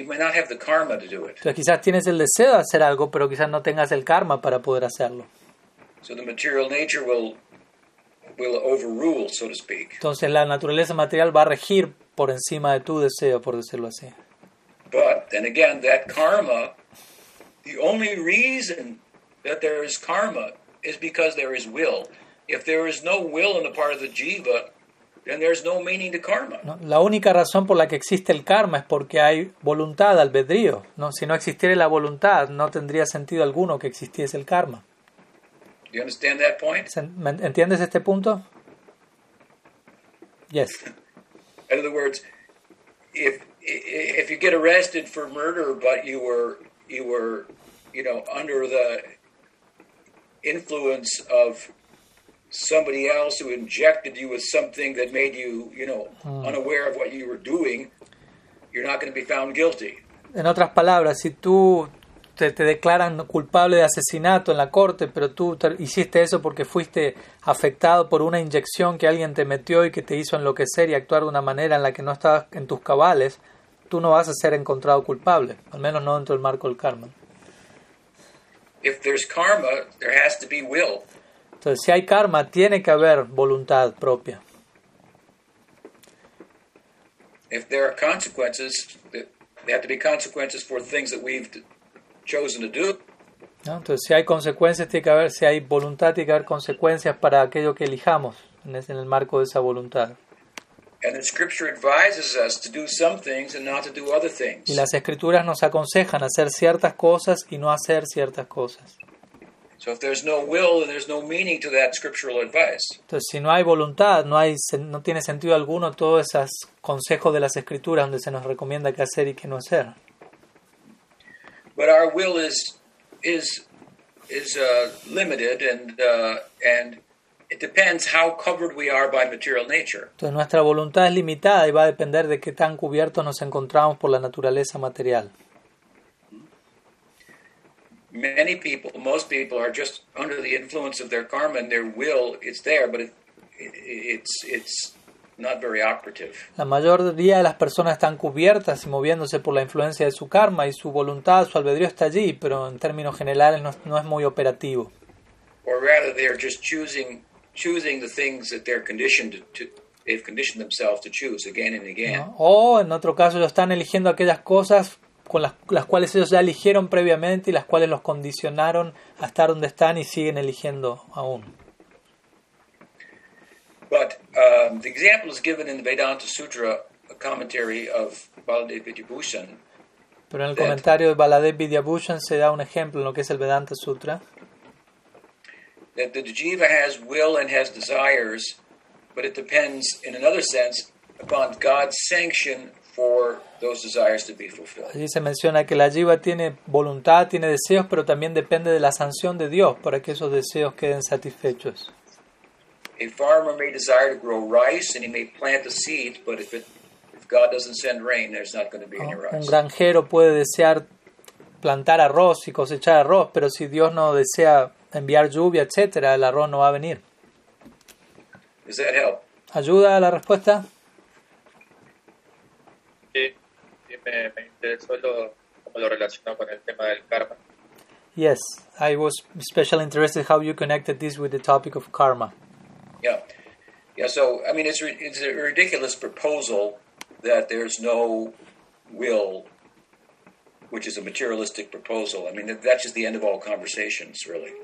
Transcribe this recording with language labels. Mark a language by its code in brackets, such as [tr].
[es] Entonces quizás tienes el deseo de hacer algo, pero quizás no tengas el karma para poder hacerlo. Entonces la naturaleza material va a regir por encima de tu deseo, por decirlo así. [en] But then again, that karma, the only reason that there is karma is because there is will. If there is no will on the part of the jiva, then there's no meaning to karma. [es] No, la única razón por la que existe el karma es porque hay voluntad, albedrío. No, si no existiera la voluntad, no tendría sentido alguno que existiese el karma. [en] Do you understand that point? [es] ¿Entiendes este punto? [en] Yes. In other words, if you get arrested for murder, but you were, you know, under the influence of somebody else who injected you with something that made you, you know, unaware of what you were doing, you're not going to be found guilty. [es] En otras palabras, si tú te declaran culpable de asesinato en la corte, pero tú hiciste eso porque fuiste afectado por una inyección que alguien te metió y que te hizo enloquecer y actuar de una manera en la que no estabas en tus cabales, tú no vas a ser encontrado culpable, al menos no dentro del marco del karma. [en] If there's karma, there has to be will. [es] Entonces, si hay karma, tiene que haber voluntad propia. [en] If there are consequences, there have to be consequences for things that we've chosen to do. [es] ¿No? Entonces, si hay consecuencias, tiene que haber, si hay voluntad, tiene que haber consecuencias para aquello que elijamos en el marco de esa voluntad. [en] And the scripture advises us to do some things and not to do other things. [es] Y las escrituras nos aconsejan hacer ciertas cosas y no hacer ciertas cosas. [en] So if there's no will, then there's no meaning to that scriptural advice. [es] Entonces, si no hay voluntad, no tiene sentido alguno todos esos consejos de las escrituras donde se nos recomienda qué hacer y qué no hacer. [en] But our will is limited and it depends how covered we are by material nature. [es] Entonces nuestra voluntad es limitada y va a depender de qué tan cubiertos nos encontramos por la naturaleza material. [en] Many people, most people are just under the influence of their karma and their will, it's there, but it's not very operative. [es] La mayoría de las personas están cubiertas y moviéndose por la influencia de su karma y su voluntad, su albedrío está allí, pero en términos generales no es muy operativo. [en] Or rather they are just choosing the things that they're conditioned to, they've conditioned themselves to choose again and again. [es] No. O en otro caso ellos están eligiendo aquellas cosas con las cuales ellos ya eligieron previamente y las cuales los condicionaron a estar donde están y siguen eligiendo aún. [en] But the example is given in the Vedanta Sutra, a commentary of Baladev Vidyabhushan. [es] Pero en el comentario de Baladev Vidyabhushan se da un ejemplo en lo que es el Vedanta Sutra. [en] That the jiva has will and has desires, but it depends in another sense upon God's sanction for those desires to be fulfilled. [es] Allí se menciona que la jiva tiene voluntad, tiene deseos, pero también depende de la sanción de Dios para que esos deseos queden satisfechos. [en] A farmer may desire to grow rice and he may plant the seed, but if God doesn't send rain, there's not going to be any rice. [es] Un granjero puede desear plantar arroz y cosechar arroz, pero si Dios no desea enviar lluvia, etcétera, el arroz no va a venir. [en] Does that help? [es] ¿Ayuda a la respuesta? Sí, me interesó cómo lo relacionó con el tema del karma. [en] Yes, I was especially interested how you connected this with the topic of karma. Yeah, so, I mean, it's a ridiculous proposal that there's no will which is a materialistic proposal. I mean, that's just the end of all conversations, really.